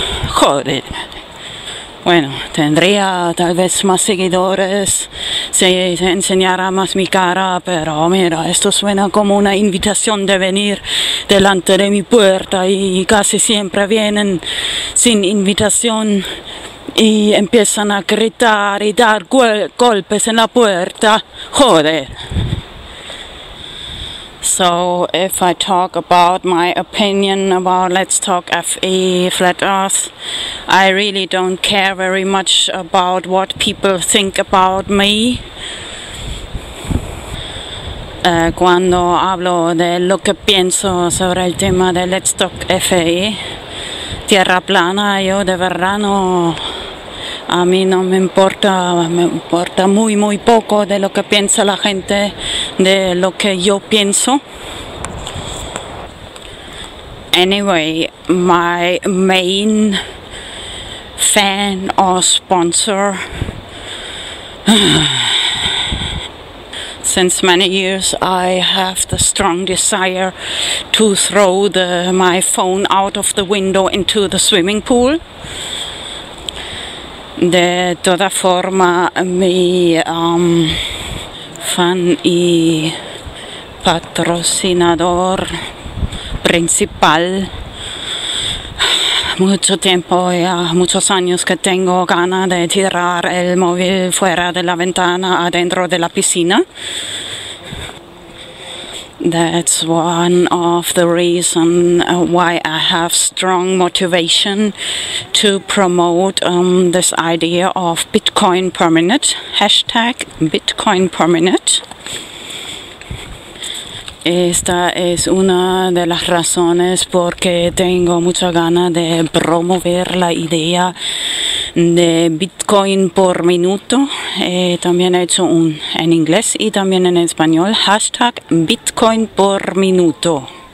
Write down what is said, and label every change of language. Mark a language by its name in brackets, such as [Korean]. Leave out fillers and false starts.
[Spanish] Joder. Bueno, tendría tal vez más seguidores si enseñara más mi cara, pero mira, esto suena como una invitación de venir delante de mi puerta y casi siempre vienen sin invitación y empiezan a gritar y dar golpes en la puerta. Joder. [English] So, if I talk about my opinion about Let's Talk FE, Flat Earth, I really don't care very much about what people think about me. [Spanish] Cuando hablo de lo que pienso sobre el tema de Let's Talk FE, Tierra Plana, yo de verdad no, a mí no me importa, me importa muy muy poco de lo que piensa la gente, de lo que yo pienso. [English] Anyway, my main fan or sponsor since many years, I have the strong desire to throw my phone out of the window into the swimming pool. [Spanish] De toda forma, mi fan y patrocinador principal. Mucho tiempo, ya muchos años que tengo ganas de tirar el móvil fuera de la ventana, adentro de la piscina. [English] That's one of the reasons why I have strong motivation to promote this idea of Bitcoin per minute, hashtag Bitcoin per minute. [Spanish] Esta es una de las razones por qué tengo mucha gana de promover la idea de Bitcoin por minuto. También he hecho un en inglés y también en español, hashtag Bitcoin por minuto.